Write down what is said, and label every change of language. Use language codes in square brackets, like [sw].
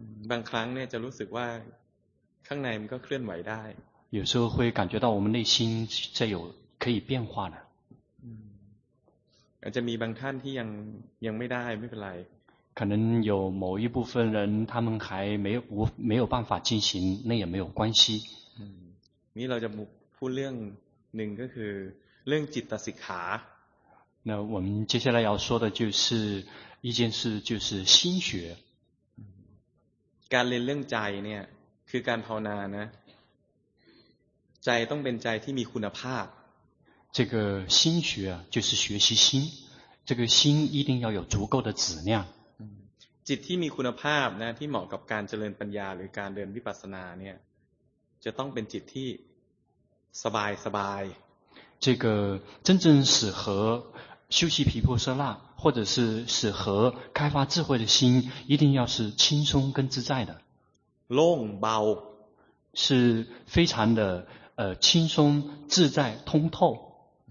[th] บางครั้งเนี่ยจะรู้สึกว่าข้างในมันก็เคลื่อนไหวได้ [zh] 有时候会感觉到我们内心在有可以变化的 [th] อาจจะมีบางท่านที่ยังไม่ได้ไม่เป็นไร [zh] 可能有某一部分人他们还没有办法进行那也没有关系 [th] นี่เราจะพูดเรื่องหนึ่งก็คือเรื่องจิตสิกขา [zh] 那我们接下来要说的就是一件事就是心学 [th] การเรียนเรื่องใจเนี่ยคือการภาวนานะใจต้องเป็นใจที่มีคุณภาพ [zh] 这个心学就是学习心这个心一定要有足够的质量 [th] จิตที่มีคุณภาพนะที่เหมาะกับการเจริญปัญญาหรือการเดินวิปัสสนาเนี่ยจะต้องเป็นจิตที่สบายสบาย [zh] 这个真正适合修习毗婆舍那或者是适合开发智慧的心一定要是轻松跟自在的 [th] โล่งเบา [zh] 是非常的轻松自在通透